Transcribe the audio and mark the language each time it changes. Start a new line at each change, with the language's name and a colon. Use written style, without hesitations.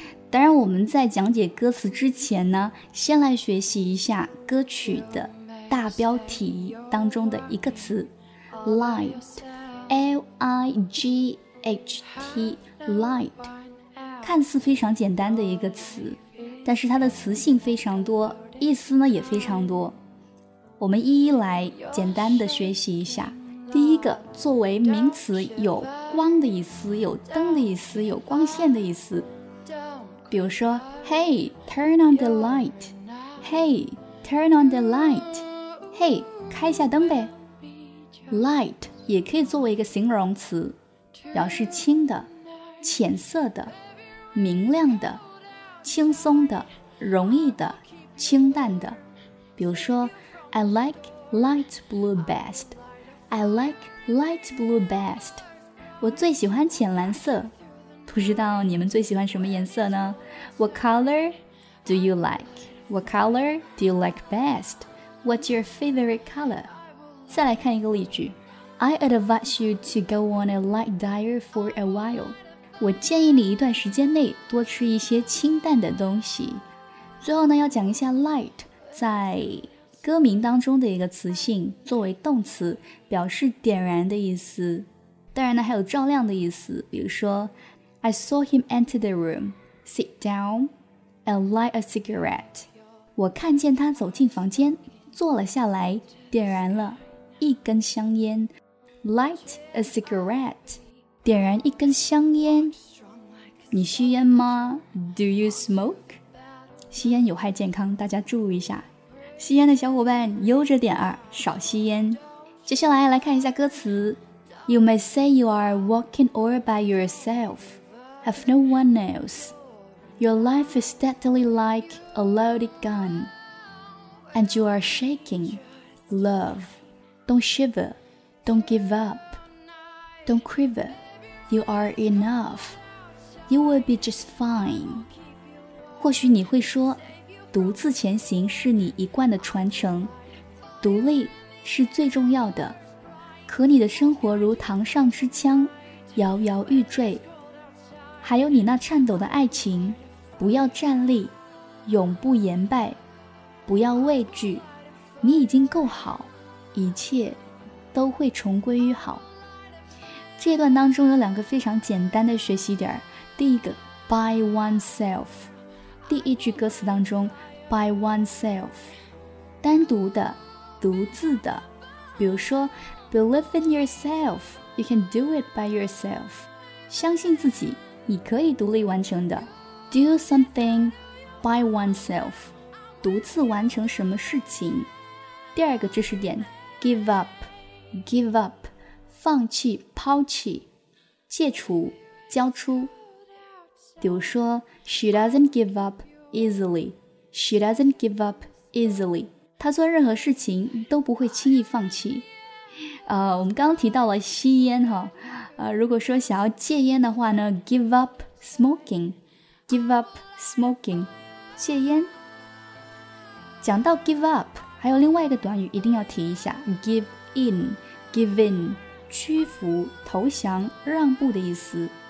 Chinese: 当然我们在讲解歌词之前呢，先来学习一下歌曲的大标题当中的一个词 Light， L-I-G-H-T， Light， 看似非常简单的一个词，但是它的词性非常多，意思呢也非常多，我们一一来简单的学习一下。第一个，作为名词，有光的意思，有灯的意思，有光线的意思。比如说
English: Hey, turn on the light. Hey, turn on the light. Hey,
Chinese: 开一下灯呗。 Light 也可以作为一个形容词，表示轻的、浅色的、明亮的、轻松的、容易的、清淡的。比如说
English: I like light blue bestI like light blue best.
Chinese: 我最喜欢浅蓝色。不知道你们最喜欢什么颜色呢？
English: What color do you like? What color do you like best? What's your favorite color?
Chinese: 再来看一个例句。
English: I advise you to go on a light diet for a while.
Chinese: 我建议你一段时间内多吃一些清淡的东西。最后呢，要讲一下 light 在歌名当中的一个词性，作为动词表示点燃的意思，当然呢还有照亮的意思。比如说
English: I saw him enter the room, sit down and light a cigarette.
Chinese: 我看见他走进房间，坐了下来，点燃了一根香烟。
English: Light a cigarette,
Chinese: 点燃一根香烟。你吸烟吗？
English: Do you smoke?
Chinese: 吸烟有害健康，大家注意一下，吸烟的小伙伴悠着点儿，少吸烟。接下来来看一下歌词。
English: You may say you are walking all by yourself, have no one else. Your life is deadly like a loaded gun, and you are shaking, love. Don't shiver, don't give up, don't quiver, you are enough. You will be just fine.
Chinese: 或许你会说独自前行是你一贯的传承，独立是最重要的。可你的生活如堂上之枪，摇摇欲坠。还有你那颤抖的爱情，不要站立，永不言败，不要畏惧，你已经够好，一切都会重归于好。这段当中有两个非常简单的学习点，第一个 by oneself， 第一句歌词当中 by oneself， 单独的，独自的，比如说
English: believe in yourself， you can do it by yourself，
Chinese: 相信自己，你可以独立完成的。
English: Do something by oneself，
Chinese: 独自完成什么事情。第二个知识点， give up， give up， 放弃，抛弃，戒除，交出。比如说
English: She doesn't give up easily， She doesn't give up easily，
Chinese: 她做任何事情都不会轻易放弃。我们刚刚提到了吸烟哈，如果说想要戒烟的话呢，
English: give up smoking， give up smoking，
Chinese: 戒烟。讲到 give up， 还有另外一个短语一定要提一下， give in， give in， 屈服，投降，让步的意思。